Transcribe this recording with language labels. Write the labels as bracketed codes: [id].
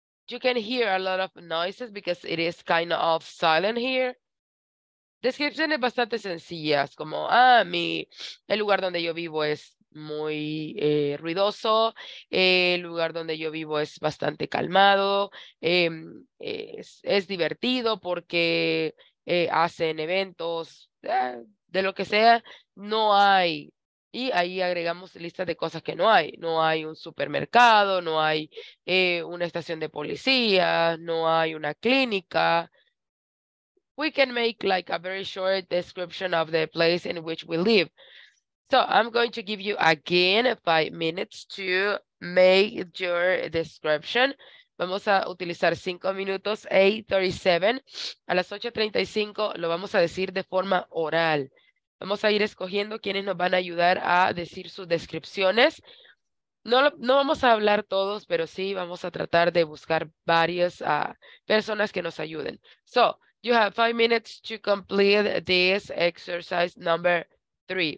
[en] You can hear a lot of noises because it is kind of silent here. [es] Descripciones bastante sencillas, como el lugar donde yo vivo es muy ruidoso, el lugar donde yo vivo es bastante calmado, es divertido porque hacen eventos, de lo que sea, no hay. Y ahí agregamos listas de cosas que no hay. No hay un supermercado, no hay una estación de policía, no hay una clínica. [en] We can make like a very short description of the place in which we live. So I'm going to give you again 5 minutes to make your description. [es] Vamos a utilizar 5 minutos, 8:37. A las 8:35 lo vamos a decir de forma oral. Vamos a ir escogiendo quienes nos van a ayudar a decir sus descripciones. No vamos a hablar todos, pero sí vamos a tratar de buscar varias personas que nos ayuden. [en] So, you have 5 minutes to complete this exercise number 3.